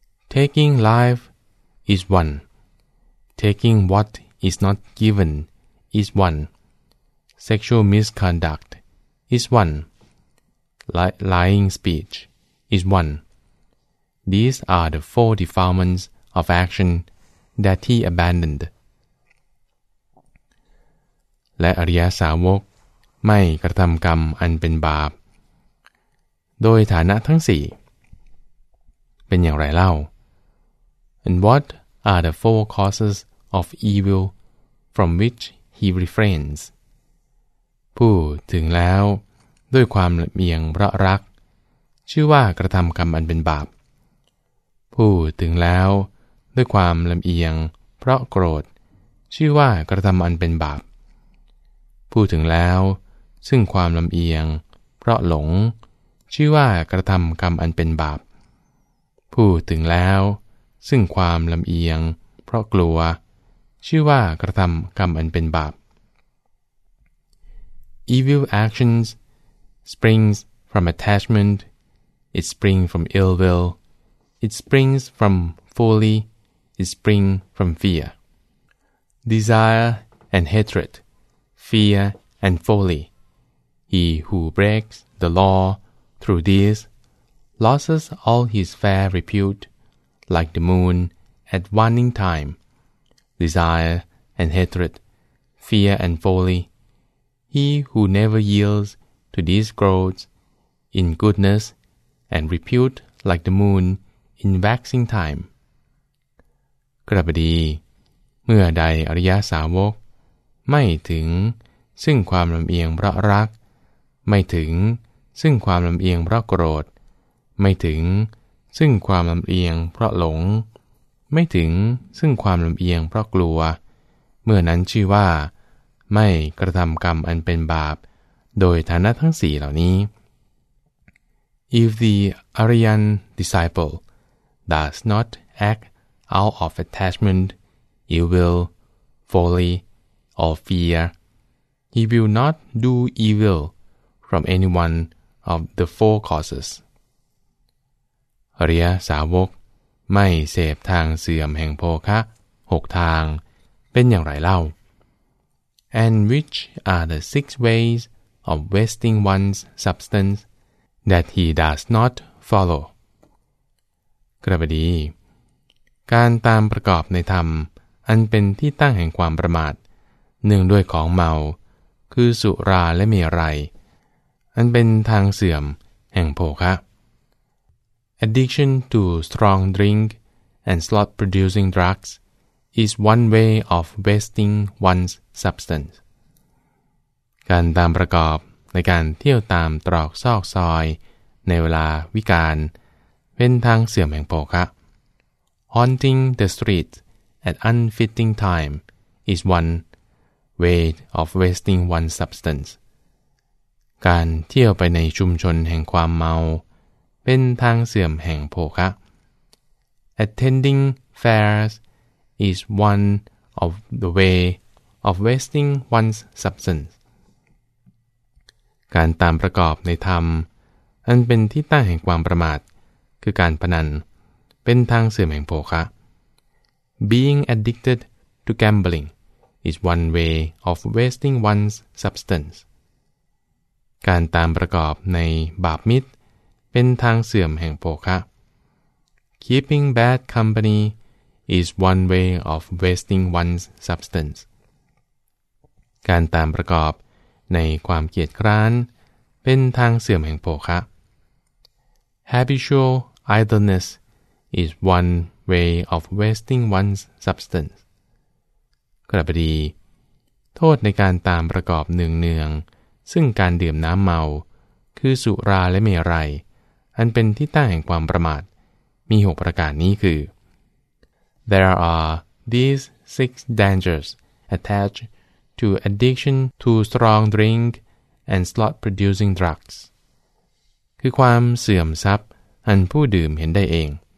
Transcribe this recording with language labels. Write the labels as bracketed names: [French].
[English] Taking life is one. Taking what is not given is one. Sexual misconduct is one. Lying speech is one. These are the four defilements of action that he abandoned [Thai] และอริยสาวกไม่กระทำกรรมอันเป็นบาปโดยฐานะทั้ง4เป็นอย่างไรเล่า [English] And what are the four causes of evil from which he refrains? [Thai] พูดถึงแล้วด้วยความเมียงเพราะรักชื่อว่ากระทำกรรมอันเป็นบาปพูดถึงแล้วด้วยความลำเอียงเพราะโกรธชื่อว่ากระทำอันเป็นบาปพูดถึงแล้วซึ่งความลำเอียงเพราะหลงชื่อว่ากระทำกรรมอันเป็นบาปพูดถึงแล้ว ซึ่งความลำเอียงเพราะกลัวชื่อว่ากระทำกรรมอันเป็นบาป [English] Evil actions springs from attachment, it springs from ill will, it springs from folly, it springs from fear. Desire and hatred, fear and folly. He who breaks the law through this loses all his fair repute, like the moon at waning time. Desire and hatred, fear and folly. He who never yields to these growths in goodness and repute like the moon in waxing time. [Thai] กระบดีเมื่อใดอริยสาวกไม่ถึงซึ่งความลำเอียงเพราะรักไม่ถึงซึ่งความลำเอียงเพราะโกรธไม่ถึงซึ่งความลำเอียงเพราะหลงไม่ถึงซึ่งความลำเอียงเพราะกลัวเมื่อนั้นชื่อว่าไม่กระทำกรรมอันเป็นบาปโดยฐานะทั้งสี่เหล่านี้ [English] If the Aryan disciple does not act out of attachment, ill will, folly, or fear, he will not do evil from any one of the four causes. [Thai] อริยสาวกไม่เสพทางเสื่อมแห่งโภคะหกทางเป็นอย่างไรเล่า [English] And which are the six ways of wasting one's substance that he does not follow? [Thai] กระบดีการตามประกอบในธรรมอันเป็นที่ตั้งแห่งความประมาทเนื่องด้วยของเมาคือสุราและเมรัยอันเป็นทางเสื่อมแห่งโภคะ [English] Addiction to strong drink and slot producing drugs is one way of wasting one's substance. [Thai] การตามประกอบในการเที่ยวตามตรอกซอกซอยในเวลาวิกาลเป็นทางเสื่อมแห่งโภคะ [English] Haunting the streets at unfitting time is one way of wasting one's substance. [Thai] การเที่ยวไปในชุมชนแห่งความเมาเป็นทางเสื่อมแห่งโภคะ [English] Attending fairs is one of the way of wasting one's substance. [Thai] การตามประกอบในธรรมอันเป็นที่ตั้งแห่งความประมาทคือการพนันเป็นทางเสื่อมแห่งโภคะ [English] Being addicted to gambling is one way of wasting one's substance. [Thai] การตามประกอบในบาปมิตรเป็นทางเสื่อมแห่งโภคะ [English] Keeping bad company is one way of wasting one's substance. [Thai] การตามประกอบในความเกียจคร้านเป็นทางเสื่อมแห่งโภคะ [English] Habitual idleness is one way of wasting one's substance. [Thai] กระบดีโทษในการตามประกอบเนืองๆซึ่งการดื่มน้ำเมาคือสุราและเมรัยอันเป็นที่ตั้งแห่งความประมาทมีหกประการนี้คือ [English] There are these six dangers attached to addiction to strong drink and slot producing drugs. [Thai] คือความเสื่อมทรัพย์อันผู้ดื่มเห็นได้เอง